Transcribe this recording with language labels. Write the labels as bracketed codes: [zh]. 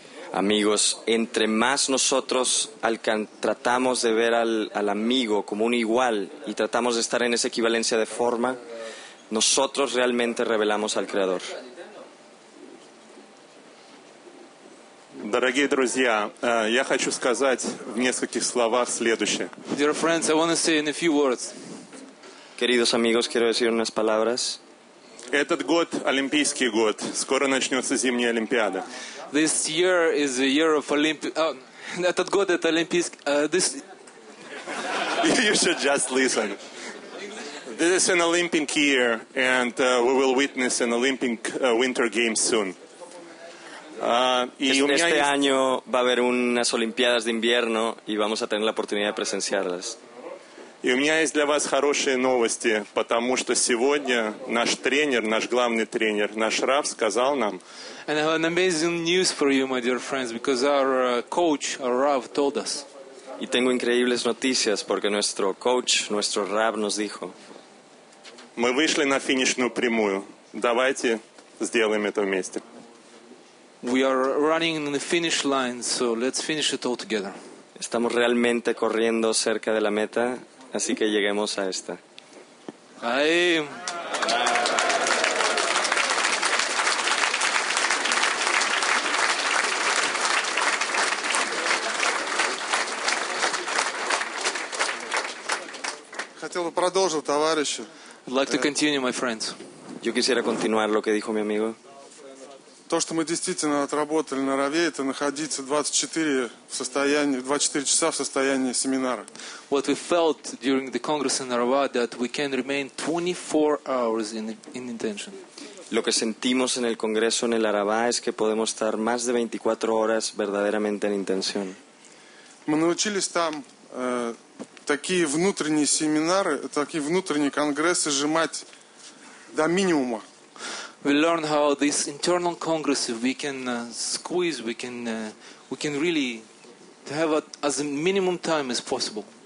[es] Amigos, entre más nosotros tratamos de ver al amigo como un igual y tratamos de estar en esa equivalencia de forma, nosotros realmente revelamos al Creador. [ru] Дорогие друзья, я хочу сказать в нескольких словах следующее. [en] Dear friends, I want to say in a few words. [es] Queridos amigos, quiero decir unas palabras. [ru] Этот год – олимпийский год. Скоро начнется зимняя Олимпиада. [en] This year is the year of [ru] этот год – это олимпийский... [en] You should just listen. This is an Olympic year, and we will witness an Olympic winter games soon. [es] Este año va a haber unas Olimpiadas de invierno y vamos a tener la oportunidad de presenciarlas. [ru] И у меня есть для вас хорошие новости, потому что сегодня наш тренер, наш главный тренер, наш рав сказал нам. [en] And I have an amazing news for you, my dear friends, because our coach, our rav, told us. [es] Y tengo increíbles noticias porque nuestro coach, nuestro rav, nos dijo. [ru] Мы вышли на финишную прямую. Давайте сделаем это вместе. [en] We are running in the finish line, so let's finish it all together. [es] Estamos realmente corriendo cerca de la meta, así que lleguemos a esta. Ahí. [ru] Хотел бы продолжить, товарищи. [en] I'd like to continue, my friends. [es] Yo quisiera continuar lo que dijo mi amigo. [ru] То, что мы действительно отработали на Раве, это находиться 24 часа в состоянии семинара. [en] What we felt during the Congress in Rava, that we can remain 24 hours in intention. [es] Lo que sentimos en el Congreso en el Rava es que podemos estar más de 24 horas verdaderamente en intención. [ru] Мы научились там такие внутренние семинары, такие внутренние конгрессы сжимать до минимума. [en] We learn how this internal congress we can squeeze, we can really have as minimum time as possible.